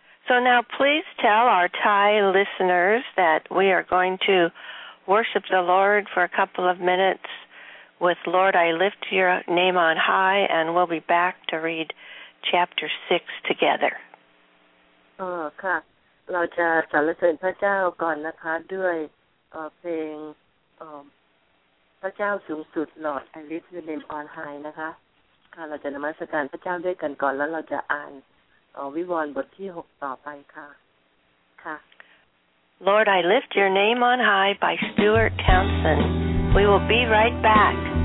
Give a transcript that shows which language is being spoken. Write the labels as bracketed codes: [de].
[en] So now please tell our Thai listeners that we are going to worship the Lord for a couple of minutes with Lord, I Lift Your Name on High, and we'll be back to read chapter 6 together. [th] ค่ะ เราจะสรรเสริญพระเจ้าก่อนนะคะด้วยเพลงพระเจ้าสูงสุด Lord, I Lift Your Name on High นะคะค่ะเราจะนมัสการพระเจ้าด้วยกันก่อนแล้วเราจะอ่านวิวรณ์บทที่6ต่อไปค่ะค่ะ [en] Lord, I Lift Your Name on High by Stuart Townsend. We will be right back.